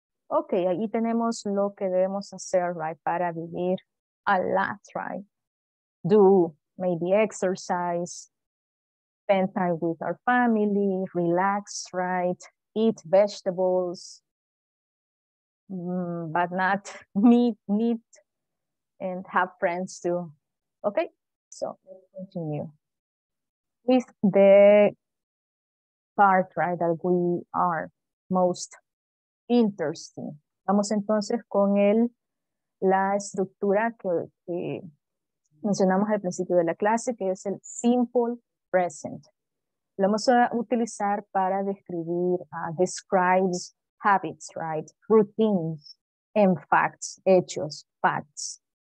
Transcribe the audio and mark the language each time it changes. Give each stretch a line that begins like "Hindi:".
Spanish: Okay, ahí tenemos lo que debemos hacer, right? Para vivir
English: a lot, right? Do maybe exercise, spend time with our family, relax, right? Eat vegetables. But not meet and have friends too. Okay, so let's continue with the part, right, that we are most interested.
Spanish: Vamos entonces con la estructura que mencionamos al principio de la clase, que es el simple present. Lo vamos a utilizar para describir,
English: describes habits, right? Routines and facts, hechos, facts.